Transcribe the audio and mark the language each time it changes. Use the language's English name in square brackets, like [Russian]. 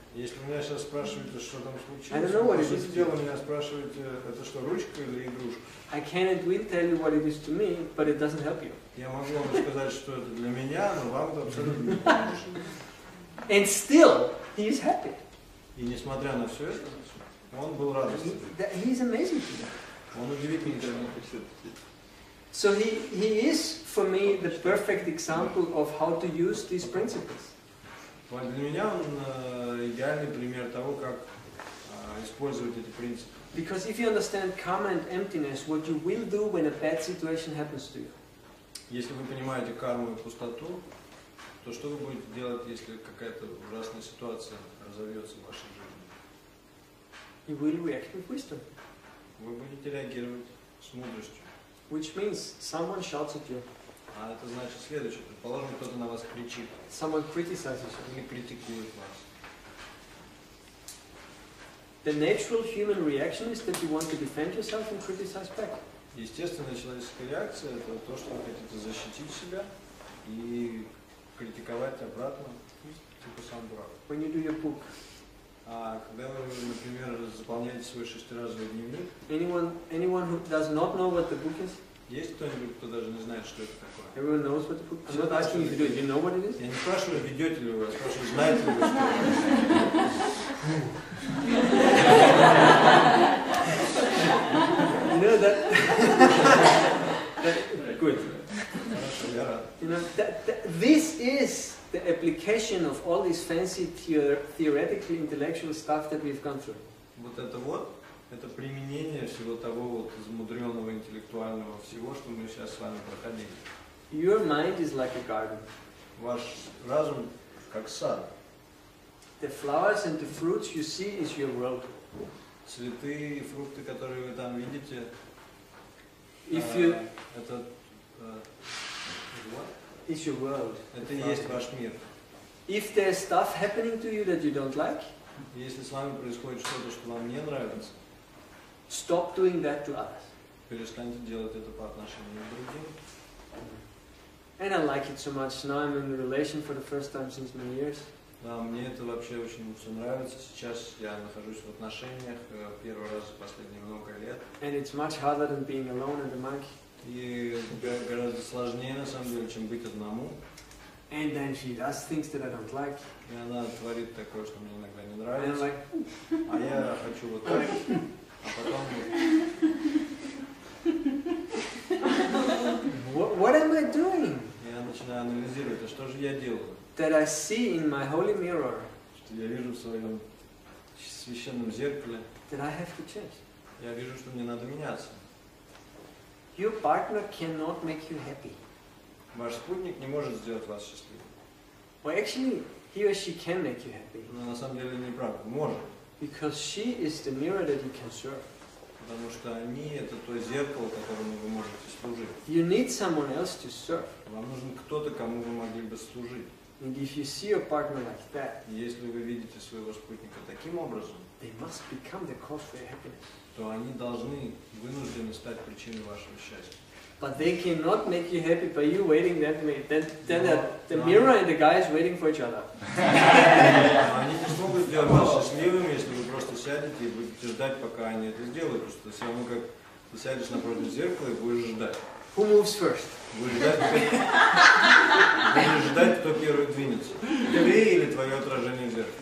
[Russian] Если меня сейчас спрашивают, что там случилось, [English] I don't know what it is. [Russian] Меня спрашивают, это что, ручка или игрушка? [English] I can and will tell you what it is to me, but it doesn't help you. [Russian] Я могу вам сказать, что это для меня, но вам это абсолютно не поможет. [English] And still, he is happy. [Russian] И несмотря на все это, он был радостен. [English] He is amazing. [Russian] Он удивительный. [English] So he is for me the perfect example of how to use these principles. [Russian] Для меня он идеальный пример того, как использовать эти принципы. [English] Because if you understand karma and emptiness, what you will do when a bad situation happens to you? [Russian] Если вы понимаете карму и пустоту, то что вы будете делать, если какая-то ужасная ситуация разовьется в вашей жизни? [English] You will react with wisdom. [Russian] Вы будете реагировать с мудростью. [English] Which means someone shouts at you. [Russian] А это значит следующее. Предположим, кто-то на вас кричит. [English] Someone criticizes you. [Russian] Или критикует вас. [English] The natural human reaction is that you want to defend yourself and criticize back. [Russian] Естественная человеческая реакция – это то, что вы хотите защитить себя и критиковать обратно, типа сам дурак. [English] When you do your book. [Russian] А когда вы, например, заполняете свой шестиразовый дневник? [English] Anyone who does not know what the book is? [Russian] Есть кто-нибудь, кто даже не знает, что это такое? [English] Everyone knows what the book is. I'm not asking if you do. Do you know what it is? [Russian] Я не спрашиваю, ведете ли вы, я спрашиваю, знаете ли вы, что это такое? [English] You know that? Good. [Russian] Хорошо, я рад. [English] You know, this is the application of all this fancy theoretically intellectual stuff that we've gone through. [Russian] Вот это вот, это применение всего того вот замудренного интеллектуального всего, что мы сейчас с вами проходили. [English] Your mind is like a garden. [Russian] Ваш разум как сад. [English] The flowers and the fruits you see is your world. [Russian] Цветы и фрукты, которые вы там видите, [English] if you [Russian] это [English] what? It's your world. [Russian] Это и есть ваш мир. [English] If there's stuff happening to you that you don't like, [Russian] если с вами происходит что-то, что вам не нравится, [English] stop doing that to others. [Russian] Перестаньте делать это по отношению к другим. [English] And I like it so much. Now I'm in a relation for the first time since many years. [Russian] Да, мне это вообще очень все нравится. Сейчас я нахожусь в отношениях первый раз за последние много лет. [English] And it's much harder than being alone in the monkey. [Russian] И гораздо сложнее, на самом деле, чем быть одному. [English] And then she does things that I don't like. [Russian] И она творит такое, что мне иногда не нравится. [English] And I'm like, [Russian] а я хочу вот так, а потом... [English] What am I doing? [Russian] Я начинаю анализировать, а что же я делаю? [English] That I see in my holy mirror. [Russian] Что я вижу в своем священном зеркале. [English] That I have to change. [Russian] Я вижу, что мне надо меняться. [English] Your partner cannot make you happy. [Russian] Ваш спутник не может сделать вас счастливым. [English] Well, actually, he or she can make you happy. [Russian] Но на самом деле не правда, может. [English] Because she is the mirror that you can serve. [Russian] Потому что они это то зеркало, которому вы можете служить. [English] You need someone else to serve. [Russian] Вам нужен кто-то, кому вы могли бы служить. [English] And if you see your partner like that, [Russian] если вы видите своего спутника таким образом, [English] they must become the cause for your happiness. [Russian] То они должны, вынуждены стать причиной вашего счастья. [English] But they cannot make you happy by you waiting that way. Then the mirror and the guy is waiting for each other. [Russian] Они не смогут сделать вас счастливыми, если вы просто сядете и будете ждать, пока они это сделают. Потому что все равно как ты сядешь напротив зеркала и будешь ждать. [English] Who moves first? [Russian] Будешь ждать, кто первый двинется. Ты или твое отражение в зеркале?